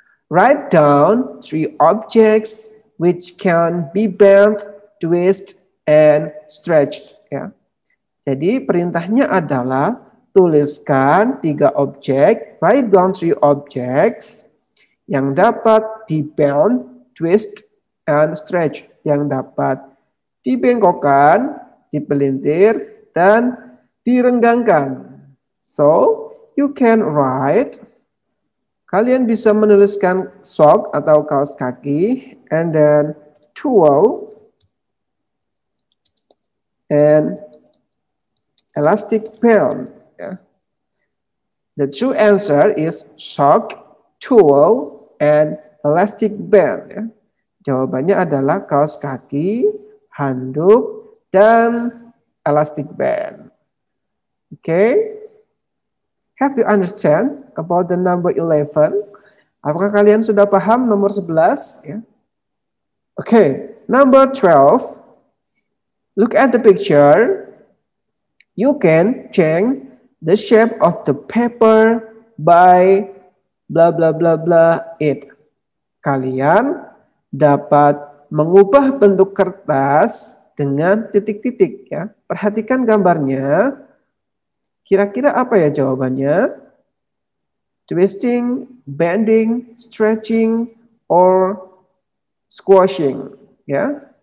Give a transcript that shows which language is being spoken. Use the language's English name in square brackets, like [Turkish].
[English] Write down 3 objects which can be bent, twist, and stretched. Ya. [Indonesian] Jadi perintahnya adalah tuliskan 3 objek, [English] write down 3 objects [Indonesian] yang dapat dibent, [English] twist, and stretch. [Indonesian] Yang dapat dibengkokkan, dipelintir, dan direnggangkan. [English] So, you can write. [Indonesian] Kalian bisa menuliskan sok atau kaos kaki, [English] and then tool and elastic band. Yeah. The true answer is sock, tool, and elastic band. Yeah. [Indonesian] Jawabannya adalah kaos kaki, handuk, dan elastic band. [English] Okay? Have you understand about the number 11? [Indonesian] Apakah kalian sudah paham nomor 11? [English] Yeah. Okay, number 12. Look at the picture. You can change the shape of the paper by blah blah blah blah it. [Indonesian] Kalian dapat mengubah bentuk kertas dengan titik-titik ya. Perhatikan gambarnya. Kira-kira apa ya jawabannya? [English] Twisting, bending, stretching, or squashing, ya.